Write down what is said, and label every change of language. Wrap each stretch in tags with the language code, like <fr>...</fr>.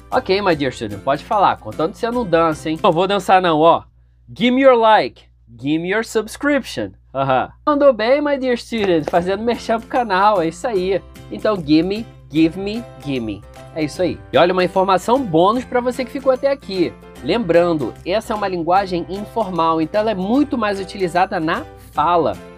<en>Ok, my dear student,</en> <pt>pode falar, contanto que você não dança, hein? Não vou dançar não, ó.</pt> <en>Give me your like, give me your subscription. Uhum.</en> <pt>Mandou bem,</pt> <en>my dear student,</en> <pt>fazendo merchan pro canal, é isso aí. Então, gimme,</pt> <en>give me,</en> <pt>gimme. É isso aí. E olha, uma informação bônus para você que ficou até aqui. Lembrando, essa é uma linguagem informal, então ela é muito mais utilizada na fala.</pt>